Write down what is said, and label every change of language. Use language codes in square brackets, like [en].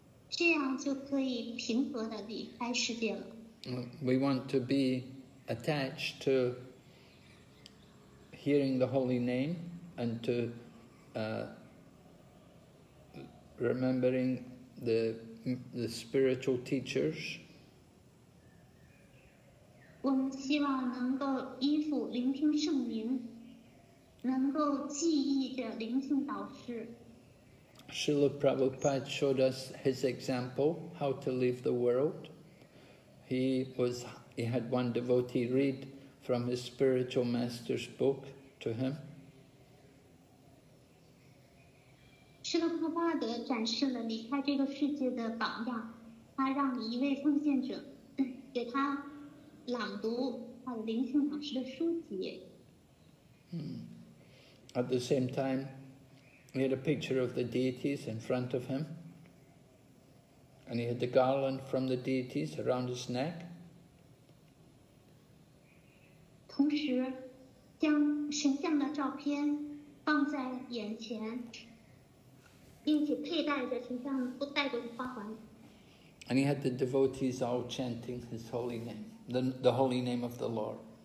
[zh] 这样就可以平和地离开世界了。 [en] We want to be attached to hearing the holy name and to remembering the spiritual teachers. [zh] 我们希望能够依附聆听圣名，能够记忆着灵性导师。 [en] Srila Prabhupada showed us his example how to leave the world. He had one devotee read from his spiritual master's book to him. [zh] Srila Prabhupada 展示了离开这个世界的榜样，他让一位奉献者给他朗读他的灵性导师的书籍。 [en] At the same time, he had a picture of the deities in front of him, and he had the garland from the deities around his neck. [zh] 同时，将神像的照片放在眼前，并且佩戴着神像不戴过的花环。 [en] And he had the devotees all chanting his holy name, the holy name of the Lord.